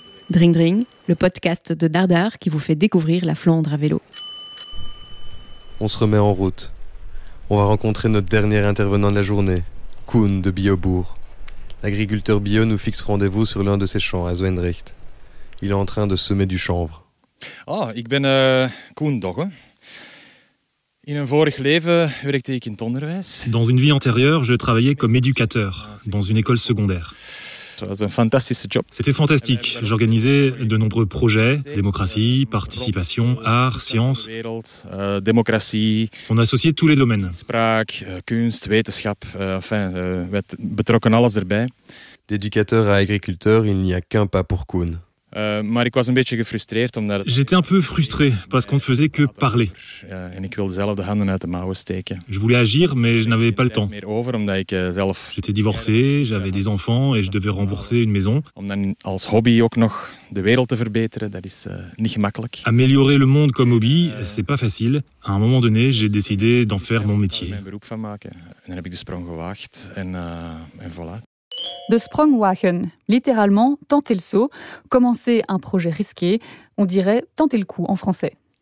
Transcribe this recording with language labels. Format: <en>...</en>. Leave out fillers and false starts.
<fr>Dring Dring, le podcast de Dardar qui vous fait découvrir la Flandre à vélo. On se remet en route. On va rencontrer notre dernier intervenant de la journée, Koen de Biobourg. L'agriculteur bio nous fixe rendez-vous sur l'un de ses champs, à Zwendrecht. Il est en train de semer du chanvre.</fr> <nl>Ah, ik ben Koen, toch? In een vorig leven werkte ik in het onderwijs.</nl> <fr>Dans une vie antérieure, je travaillais comme éducateur dans une école secondaire. C'était fantastique. J'organisais de nombreux projets, démocratie, participation, art, science. Démocratie. On associait tous les domaines.</fr> <nl>Spraak, kunst, wetenschap, enfin, we betrokken alles erbij.</nl> <fr>D'éducateur à agriculteur, il n'y a qu'un pas pour Koen.</fr> <nl>Maar ik was een beetje gefrustreerd omdat...</nl> <fr>J'étais un peu frustré parce qu'on ne faisait que parler.</fr> <nl>En ik wilde zelf de handen uit de mouwen steken.</nl> <fr>Je voulais agir, mais je n'avais pas le temps.</fr> <nl>Over, omdat ik zelf...</nl> <fr>J'étais divorcé, j'avais des enfants et je devais rembourser une maison.</fr> <nl>Om dan als hobby ook nog de wereld te verbeteren, dat is niet gemakkelijk.</nl> <fr>Améliorer le monde comme hobby, c'est pas facile. À un moment donné, j'ai décidé d'en faire mon métier.</fr> <nl>Mijn beroep van maken. En dan heb ik de sprong gewaagd en voilà. De sprong wagen,</nl> <fr>littéralement tenter le saut, commencer un projet risqué, on dirait tenter le coup en français.</fr>